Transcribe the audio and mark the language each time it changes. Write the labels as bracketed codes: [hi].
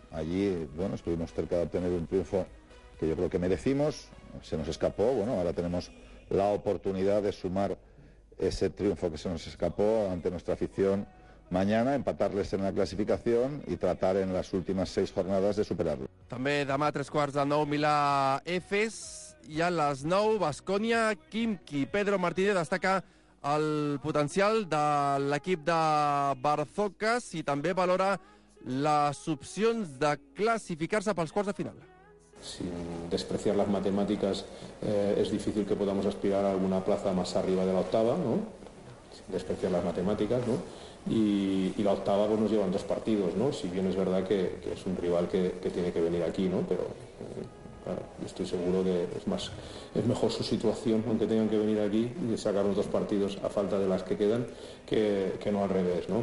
[es] Allí, bueno, estuvimos cerca de obtener un triunfo que yo creo que merecimos. Se nos escapó. Bueno, ahora tenemos la oportunidad de sumar ese triunfo que se nos escapó ante nuestra afición mañana, empatarles en la clasificación y tratar en las últimas 6 jornadas de superarlo. [ca] També demà 8:45 Milà Efes i a les 9 Baskonia Khimki. Pedro Martínez destaca el potencial de l'equip de Barzokas i també valora les opcions de classificar-se pels quarts de final. [es] Sin despreciar las matemáticas, es difícil que podamos aspirar a alguna plaza más arriba de la octava, ¿no? despreciar las matemáticas, ¿no? Y la octava pues nos llevan dos partidos, ¿no? Si bien es verdad que es un rival que tiene que venir aquí, ¿no? Pero claro, estoy seguro que es mejor su situación, aunque tengan que venir aquí y sacar los dos partidos a falta de las que quedan, que no al revés, ¿no?